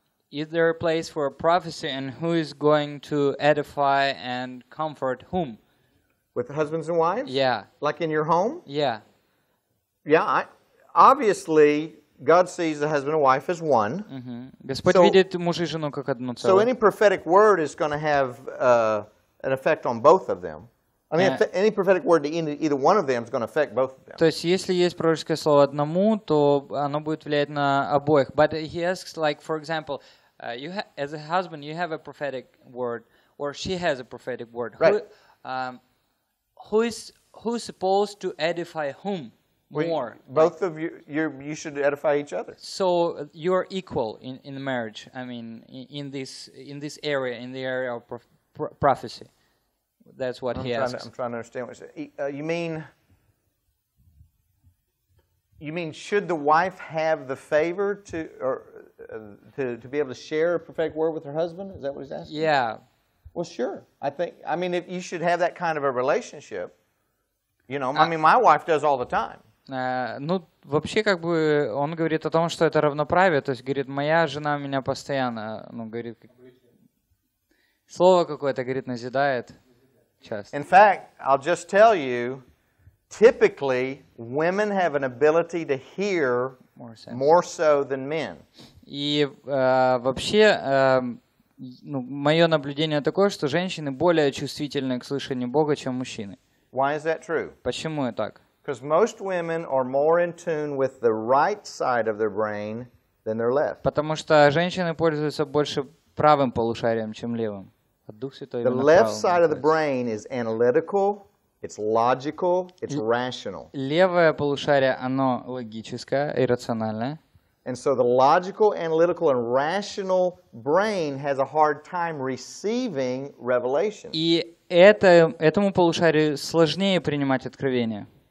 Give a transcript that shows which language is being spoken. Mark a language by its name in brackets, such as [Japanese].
[English] Is there a place for a prophecy, and who is going to edify and comfort whom? With the husbands and wives? Yeah. Like in your home? Yeah. Yeah, obviously, God sees the husband and wife as one. Mm-hmm. [Russian] Господь видит муж и жену как одно целое. [English] So any prophetic word is going to have an effect on both of them. I mean, any prophetic word to either one of them is going to affect both of them. [Russian] То есть, если есть пророческое слово одному, то оно будет влиять на обоих. [English] But he asks, like, for example, as a husband, you have a prophetic word, or she has a prophetic word. Right. Who's supposed to edify whom more? Both of you should edify each other. So you're equal in the marriage. I mean, in this area, in the area of prophecy. That's what he asks. I'm trying to understand what you said. You mean should the wife have the favor to, or to be able to share a prophetic word with her husband? Is that what he's asking? Yeah. Well, sure. I mean, if you should have that kind of a relationship, you know. I mean, my wife does all the time. [Russian] Ну, вообще, как бы, он говорит о том, что это равноправие. То есть, говорит, моя жена меня постоянно, ну, говорит, слово какое-то, говорит, назидает часто. [English] In fact, I'll just tell you, typically, women have an ability to hear more so than men. [Russian] И вообще, ну, мое наблюдение такое, что женщины более чувствительны к слышанию Бога, чем мужчины. [English] Why is that true? [Russian] Почему так? [English] Because most women are more in tune with the right side of their brain than their left. [Russian] Потому что женщины пользуются больше правым полушарием, чем левым. От Духа Святого. [English] The left side of the brain is analytical, it's logical, it's rational. [Russian] Левое полушарие, оно логическое и рациональное. [English] And so the logical, analytical, and rational brain has a hard time receiving revelation. [Russian] И этому полушарию сложнее принимать откровение.